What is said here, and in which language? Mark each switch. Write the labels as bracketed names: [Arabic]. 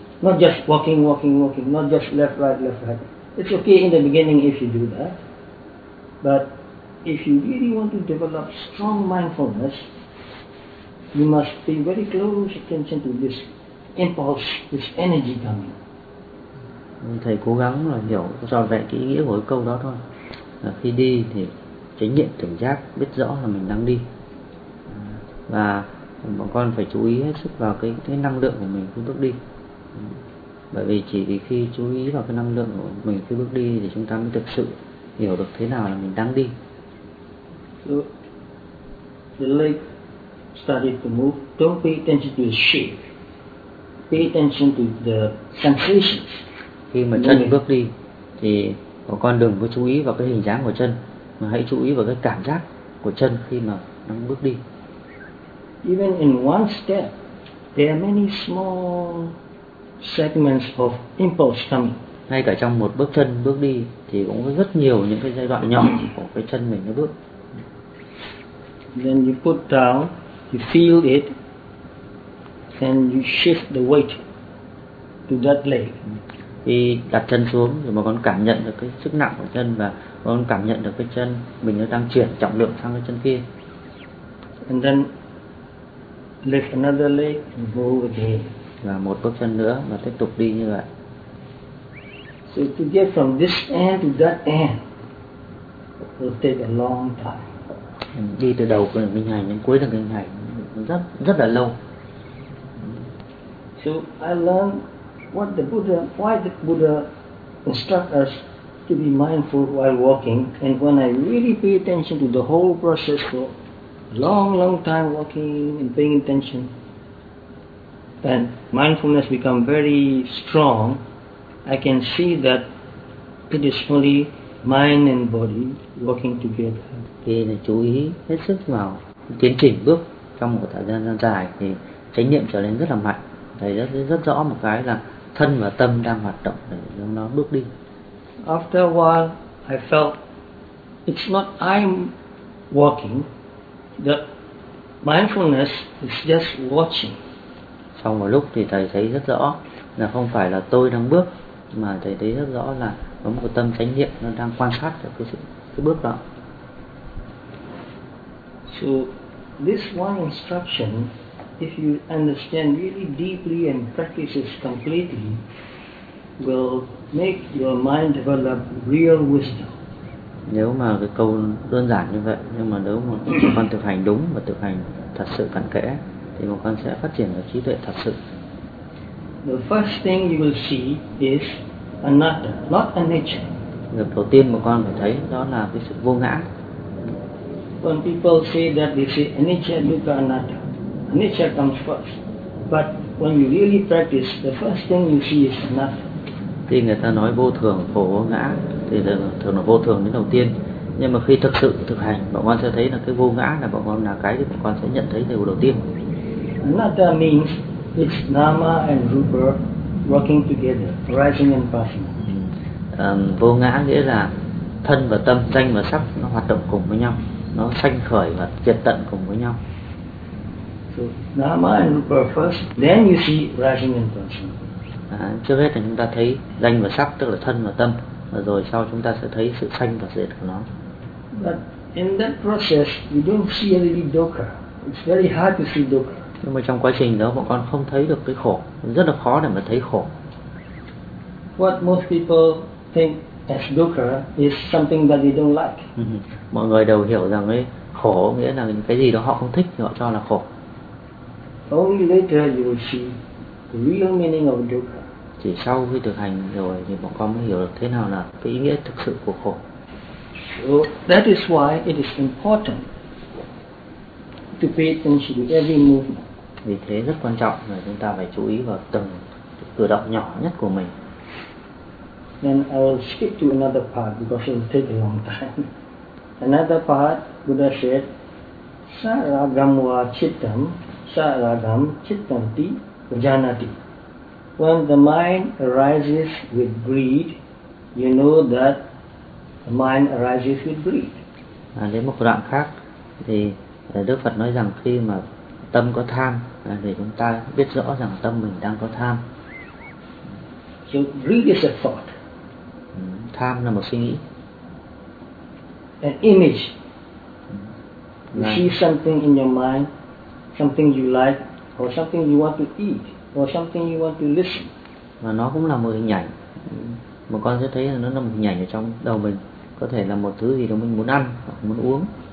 [English] Not just walking, walking, walking, not just left, right, left, right. It's okay in the beginning if you do that. But if you really want to develop strong mindfulness, you must pay very close attention to this impulse, this energy coming. [Vietnamese] Thầy cố gắng là hiểu cho vẹn cái ý nghĩa của cái câu đó thôi. Khi đi thì chánh niệm tỉnh giác biết rõ là mình đang đi, và bọn con phải chú ý hết sức vào cái năng lượng của mình khi bước đi, bởi vì chỉ vì khi chú ý vào cái năng lượng của mình khi bước đi thì chúng ta mới thực sự hiểu được thế nào là mình đang đi. [English] So, the leg started to move. Don't pay attention to the shape. Pay attention to the sensations. [Vietnamese] Khi mà chân bước đi thì bọn con đừng có chú ý vào cái hình dáng của chân, mà hãy chú ý vào cái cảm giác của chân khi mà đang bước đi. [English] Even in one step, there are many small segments of impulse coming. [Vietnamese] Ngay cả trong một bước chân bước đi thì cũng có rất nhiều những cái giai đoạn nhỏ của cái chân mình nó bước. [English] Then you put down, you feel it, and you shift the weight to that leg. [Vietnamese] Khi đặt chân xuống thì bọn con cảm nhận được cái sức nặng của chân, và bọn con cảm nhận được cái chân mình nó đang chuyển trọng lượng sang cái chân kia. [English] And then lift another leg and go again. [Vietnamese] Và một bước chân nữa và tiếp tục đi như vậy. [English] So to get from this end to that end will take a long time. [Vietnamese] Đi từ đầu của mình hành đến cuối đường mình hành rất là lâu. [English] So I learned what the Buddha, why the Buddha instruct us to be mindful while walking, and when I really pay attention to the whole process for long, long time walking and paying attention, then mindfulness become very strong. I can see that it is only mind and body working together. [Vietnamese] Khi chú ý hết sức vào tiến trình bước trong một thời gian dài thì chánh niệm trở nên rất là mạnh. Thầy rất rõ một cái là thân và tâm đang hoạt động để nó bước đi. [English] After a while, I felt it's not I'm walking, the mindfulness is just watching. [Vietnamese] Sau một lúc thì thầy thấy rất rõ là không phải là tôi đang bước, mà thầy thấy rất rõ là có một tâm chánh niệm nó đang quan sát được cái bước đó. [English] So this one instruction, if you understand really deeply and practice it completely, will make your mind develop real wisdom. [Vietnamese] Nếu mà cái câu đơn giản như vậy, nhưng mà nếu mà con thực hành đúng và thực hành thật sự cặn kẽ, thì một con sẽ phát triển được trí tuệ thật sự. [English] The first thing you will see is anatta, not a nature. [Vietnamese] Điều đầu tiên mà con phải thấy đó là cái sự vô ngã. [English] When people say that they say anicca dukkha anatta, anicca comes first. But when you really practice, the first thing you see is anatta. [Vietnamese] Khi người ta nói vô thường, khổ, vô ngã thì thường là vô thường đến đầu tiên. Nhưng mà khi thực sự thực hành, bọn con sẽ thấy là cái vô ngã là bọn con là cái thì bọn con sẽ nhận thấy điều đầu tiên. [English] Anatta means it's nama and rupa working together, rising and passing. [Vietnamese] Vô ngã nghĩa là thân và tâm, danh và sắc nó hoạt động cùng với nhau, nó sanh khởi và diệt tận cùng với nhau. [English] So nama and rupa first, then you see rising and passing. [Vietnamese] Trước hết là chúng ta thấy danh và sắc, tức là thân và tâm, và rồi sau chúng ta sẽ thấy sự sanh và diệt của nó. [English] But in that process, you don't see really dukkha. It's very hard to see dukkha. [Vietnamese] Nhưng mà trong quá trình đó, bọn con không thấy được cái khổ, rất là khó để mà thấy khổ. [English] What most people think as dukkha is something that they don't like. [Vietnamese] Mọi người đều hiểu rằng ấy khổ nghĩa là cái gì đó họ không thích thì họ cho là khổ. [English] Only later you will see the real meaning of dukkha. [Vietnamese] Chỉ sau khi thực hành rồi thì bọn con mới hiểu được thế nào là cái ý nghĩa thực sự của khổ. [English] So that is why it is important to pay attention to every movement. [Vietnamese] Vì thế rất quan trọng là chúng ta phải chú ý vào từng cử động nhỏ nhất của mình. [English] Then I will skip to another part because it will take a long time. Another part, Buddha said, [Pali] Saragam wa chittam, saragam chittam ti vajanati. [English] When the mind arises with greed, you know that the mind arises with greed. [Vietnamese] Đến một đoạn khác thì Đức Phật nói rằng khi mà tâm có tham thì chúng ta biết rõ rằng tâm mình đang có tham. [English] So greed is a thought. [Vietnamese] Tham là một suy nghĩ. [English] An image. You see something in your mind, something you like, or something you want to eat, or something you want to listen. [Vietnamese] Và nó cũng là một hình ảnh. Một con sẽ thấy là nó là một hình ảnh ở trong đầu mình. Có thể là một thứ gì đó mình muốn ăn, muốn uống.